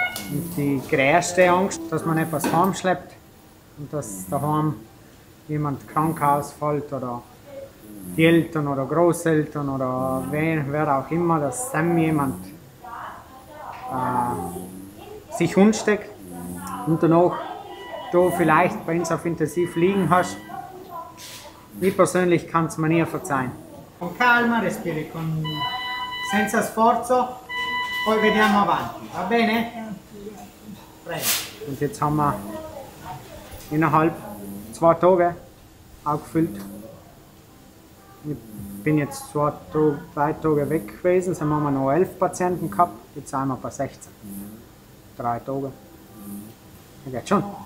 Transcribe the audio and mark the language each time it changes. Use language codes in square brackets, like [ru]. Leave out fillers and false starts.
[de] Und die größte Angst, dass man etwas heim schleppt und dass daheim jemand krank ausfällt oder die Eltern oder Großeltern oder wer auch immer, dass dann jemand sich umsteckt und dann auch du vielleicht bei uns auf Intensiv liegen hast. Ich persönlich kann es mir nie verzeihen. [it] Con calma, respiri con senza sforzo, poi vediamo avanti, va bene? [de] Und jetzt haben wir innerhalb zwei Tage aufgefüllt. Ich bin jetzt drei Tage weg gewesen, dann haben wir noch 11 Patienten gehabt, jetzt sind wir bei 16. Drei Tage. Das geht schon.